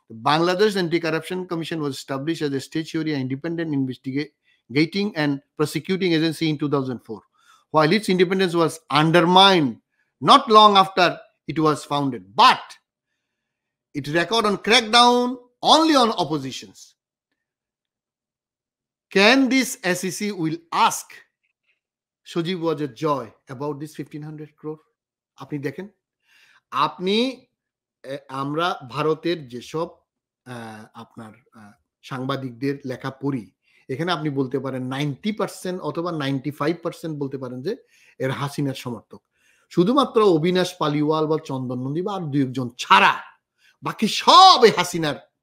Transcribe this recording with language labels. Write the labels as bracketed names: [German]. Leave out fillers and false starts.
[English] Bangladesh anti corruption commission was establish as a statutory independent investigating and prosecuting agency in 2004, while its independence was undermined not long after it was founded, but it record on crack down only on oppositions. Can this SEC will ask Sojib Wajed Joy about this 1500 crore? [Bangla] আপনি দেখেন, আপনি আমরা ভারতের যেসব আপনার সাংবাদিকদের লেখা পড়ি, এখানে আপনি বলতে পারেন 90% অথবা 95% বলতে পারেন যে এর হাসিনার সমর্থক, শুধুমাত্র অবিনাশ পালিওয়াল বা চন্দন নন্দী বা আর দু একজন ছাড়া, বাকি সব হাসিনার।